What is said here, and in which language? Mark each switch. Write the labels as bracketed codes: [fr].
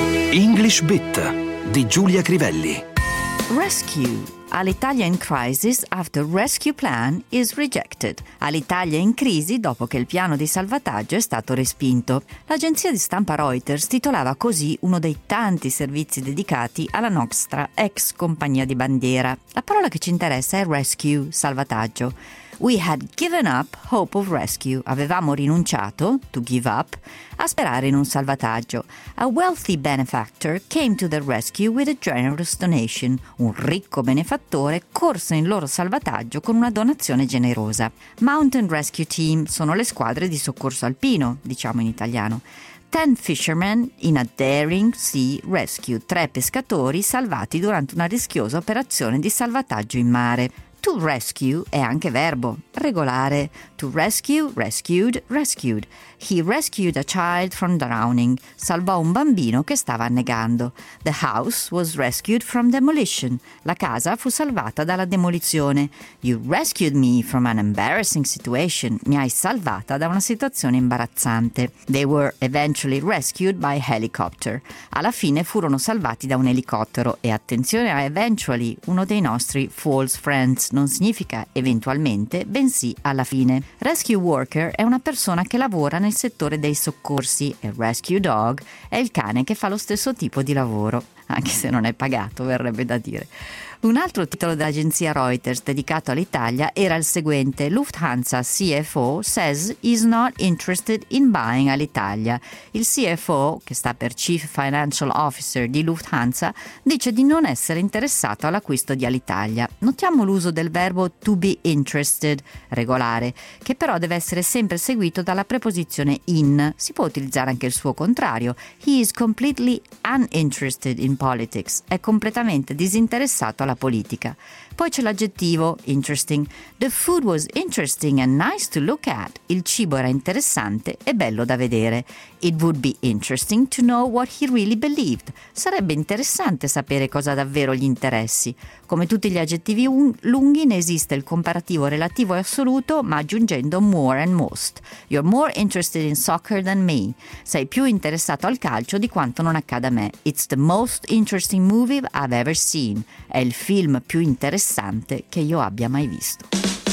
[it] English Bit di Giulia Crivelli. [en] Rescue. Alitalia in crisis after rescue plan is rejected. [it] Alitalia in crisi dopo che il piano di salvataggio è stato respinto. L'agenzia di stampa Reuters titolava così uno dei tanti servizi dedicati alla nostra ex compagnia di bandiera. La parola che ci interessa è rescue, salvataggio. [en] We had given up hope of rescue. [it] Avevamo rinunciato, [en] to give up, [it] a sperare in un salvataggio. [en] A wealthy benefactor came to the rescue with a generous donation. [it] Un ricco benefattore corse in loro salvataggio con una donazione generosa. Mountain Rescue Team sono le squadre di soccorso alpino, diciamo in italiano. [en] 10 fishermen in a daring sea rescue. [it] 3 pescatori salvati durante una rischiosa operazione di salvataggio in mare. To rescue è anche verbo, regolare. [en] To rescue, rescued, rescued. He rescued a child from drowning. [it] Salvò un bambino che stava annegando. [en] The house was rescued from demolition. [it] La casa fu salvata dalla demolizione. [en] You rescued me from an embarrassing situation. [it] Mi hai salvata da una situazione imbarazzante. [en] They were eventually rescued by helicopter. [it] Alla fine furono salvati da un elicottero. E attenzione a eventually, uno dei nostri false friends. Non significa eventualmente, bensì alla fine. Rescue worker è una persona che lavora nel settore dei soccorsi e rescue dog è il cane che fa lo stesso tipo di lavoro, anche se non è pagato, verrebbe da dire. Un altro titolo dell'agenzia Reuters dedicato all'Italia era il seguente: [en] Lufthansa CFO says he's not interested in buying Alitalia. [it] Il CFO, che sta per Chief Financial Officer di Lufthansa, dice di non essere interessato all'acquisto di Alitalia. Notiamo l'uso del verbo to be interested, regolare, che però deve essere sempre seguito dalla preposizione in. Si può utilizzare anche il suo contrario: [en] he is completely uninterested in politics. [it] È completamente disinteressato la politica. Poi c'è l'aggettivo interesting. [en] The food was interesting and nice to look at. [it] Il cibo era interessante e bello da vedere. [en] It would be interesting to know what he really believed. [it] Sarebbe interessante sapere cosa davvero gli interessi. Come tutti gli aggettivi lunghi, ne esiste il comparativo relativo e assoluto, ma aggiungendo more and most. [en] You're more interested in soccer than me. [it] Sei più interessato al calcio di quanto non accada a me. [en] It's the most interesting movie I've ever seen. [it] È il film più interessante che io abbia mai visto.